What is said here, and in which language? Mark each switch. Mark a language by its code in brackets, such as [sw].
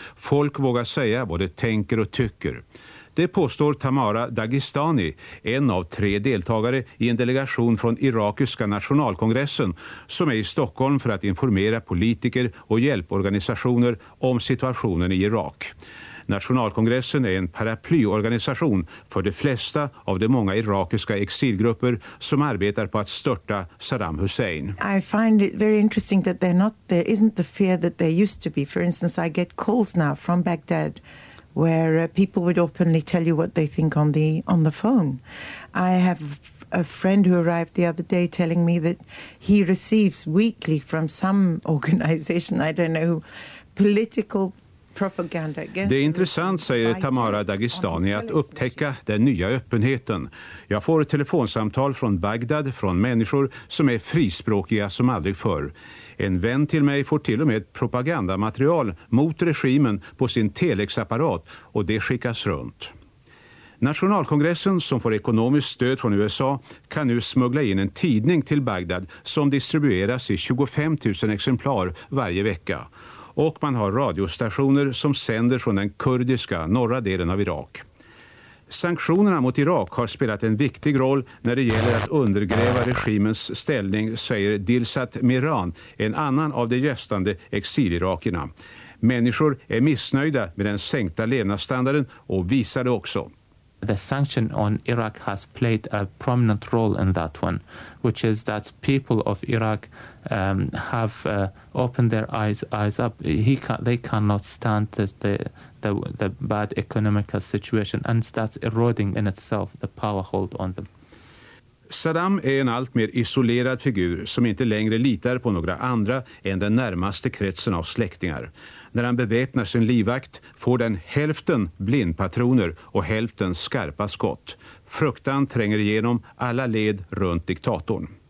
[sv] Folk vågar säga vad de tänker och tycker. Det påstår Tamara Dagestani, en av tre deltagare i en delegation från irakiska nationalkongressen som är i Stockholm för att informera politiker och hjälporganisationer om situationen i Irak. Nationalkongressen är en paraplyorganisation för de flesta av de många irakiska exilgrupper som arbetar på att störta Saddam Hussein. [en] I find it very interesting that there isn't the fear that there used to be. For instance, I get calls now from Baghdad where people would openly tell you what they think on the phone. I have a friend who arrived the other day telling me that he receives weekly from some organization, I don't know, political propaganda. [sv] Det är intressant, säger Tamara Dagestani, att upptäcka den nya öppenheten. Jag får ett telefonsamtal från Bagdad från människor som är frispråkiga som aldrig förr. En vän till mig får till och med propagandamaterial mot regimen på sin telexapparat och det skickas runt. Nationalkongressen, som får ekonomiskt stöd från USA, kan nu smuggla in en tidning till Bagdad som distribueras i 25 000 exemplar varje vecka. Och man har radiostationer som sänder från den kurdiska norra delen av Irak. Sanktionerna mot Irak har spelat en viktig roll när det gäller att undergräva regimens ställning, säger Dilsat Miran, en annan av de gästande exilirakerna. Människor är missnöjda med den sänkta levnadsstandarden och visar det också. [en] The sanction on Iraq has played a prominent role in that one, which is that people of Iraq have opened their eyes up. They cannot stand the bad economic situation, and that's eroding in itself the power hold on them. [sv] Saddam är en allt mer isolerad figur som inte längre litar på några andra än den närmaste kretsen av släktingar. När han beväpnar sin livvakt får den hälften blindpatroner och hälften skarpa skott. Fruktan tränger igenom alla led runt diktatorn.